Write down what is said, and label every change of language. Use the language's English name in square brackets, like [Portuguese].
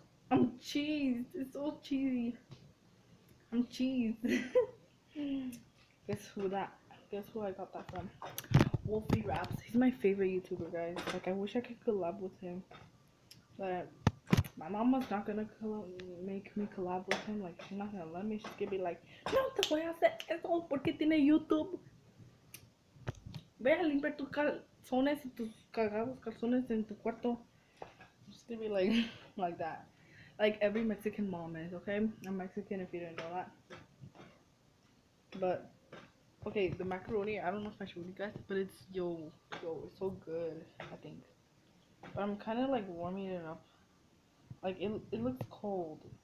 [English] I'm cheese. It's all cheesy. I'm cheese. Guess who I got that from? Wolfie Raps. He's my favorite YouTuber, guys. Like, I wish I could collab with him. But my mama's not gonna make me collab with him. Like, she's not gonna let me. She's gonna be like, [Spanish] no te voy a hacer eso porque tiene YouTube. Ve a limpiar tus calzones y tus cagados calzones en tu cuarto. [English] She's gonna be like that. like every Mexican mom is, okay? I'm Mexican if you didn't know that. But, okay, the macaroni, I don't know if I showed you guys, but it's, yo, it's so good, I think. But I'm kind of, like, warming it up. Like, it looks cold.